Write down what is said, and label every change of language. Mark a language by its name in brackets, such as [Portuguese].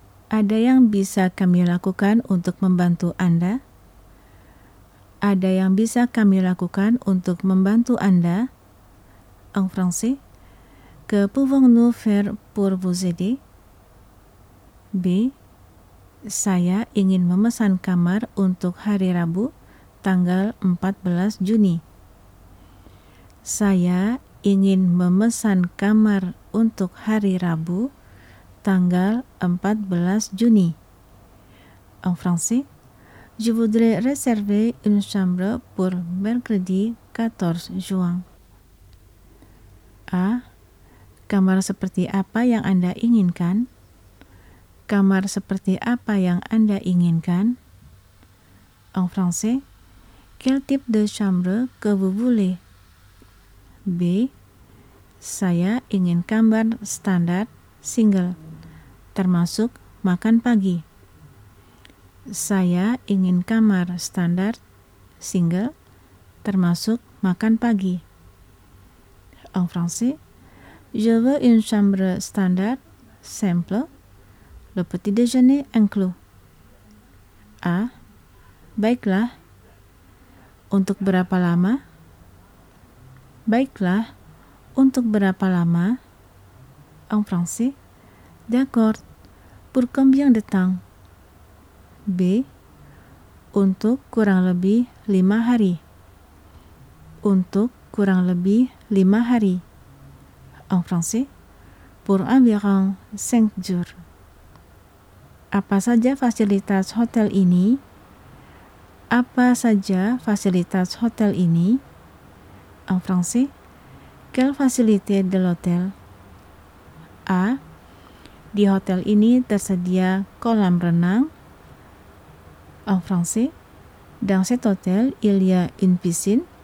[Indonesian] Ada yang bisa kami lakukan untuk membantu Anda? Ada yang bisa kami lakukan untuk membantu Anda? [French] En français, que pouvons-nous faire pour vous aider? [Indonesian] B. Saya ingin memesan kamar untuk hari Rabu, tanggal 14 Juni. Saya ingin memesan kamar untuk hari Rabu, tanggal 14 Juni. [French] En français, je voudrais réserver une chambre pour mercredi 14 juin. A. [Indonesian] Kamar seperti apa yang Anda inginkan? Kamar seperti apa yang Anda inginkan? [French] En français, quel type de chambre que vous voulez? [Indonesian] B. Saya ingin kamar standar single, termasuk makan pagi. Saya ingin kamar standar single, termasuk makan pagi. [French] En français, je veux une chambre standard simple, le petit déjeuner inclus. [Indonesian] A. Baiklah. Untuk berapa lama? Baiklah. Untuk berapa lama? [French] En français, d'accord. Pour combien de temps? B. [Indonesian] Untuk kurang lebih 5 hari. Untuk kurang lebih 5 hari. [French] En français, pour environ 5 jours. [Indonesian] Apa saja fasilitas hotel ini? Apa saja fasilitas hotel ini? [French] En français, quelle facilité de l'hôtel? A. [Indonesian] Di hotel ini tersedia kolam renang. [French] En français, dans cet hôtel, il y a une piscine.